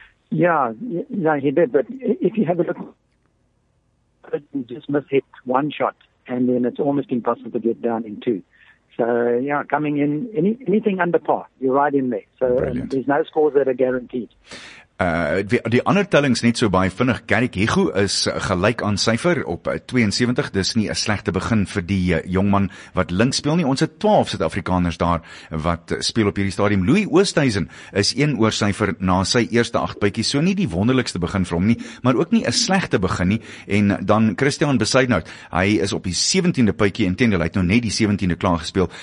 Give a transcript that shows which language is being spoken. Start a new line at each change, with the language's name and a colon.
English: Yeah, he did, but if you have a look, you just miss hit one shot, and then it's almost impossible to get down in two. So, yeah, coming in, anything under par, you're right in there. So there's no scores that are guaranteed.
Afrikaans: Die ander tellings net so baie vinnig. Garrick Hegu is gelyk aan syfer op 72. Dis nie 'n slegte begin vir die jongman wat links speel nie. Ons het 12 Suid-Afrikaners daar wat speel op hierdie stadium. Louis Oosthuizen is 1 oor syfer na sy eerste 8 bytjies. So nie die wonderlikste begin vir hom nie, maar ook nie 'n slegte begin nie. En dan Christian Besuidnout, hy is op die 17de bytjie en teendeel, hy het nou net die 17de klaar gespeel.